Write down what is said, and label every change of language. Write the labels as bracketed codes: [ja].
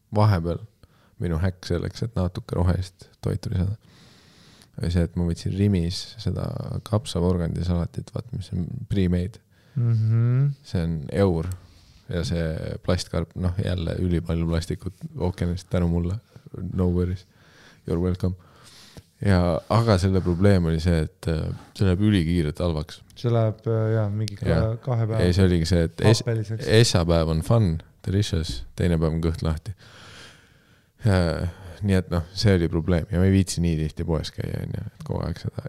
[et] Vahepeal minu häkk selleks, et natuke rohest toitu lisada. Või see, et ma võtsin Rimis seda kapsav organdisalatit, vaat, mis on pre-made. Mm-hmm. See on eur ja see plastkarp, noh jälle üli palju plastikud ookeanist tänu mulle. [en] No worries, you're welcome. [et] Ja aga selle probleem oli see, et see läheb üli kiirelt halvaks. See läheb jah, mingi ka, ja. 2 päeva. Ei, see oli see, et esapäev on [en] fun, delicious, [et] teine päev on kõht lahti. Ja, nii et noh, see oli probleem ja me ei viitsi nii tihti poes käia, nii, et kogu aeg seda.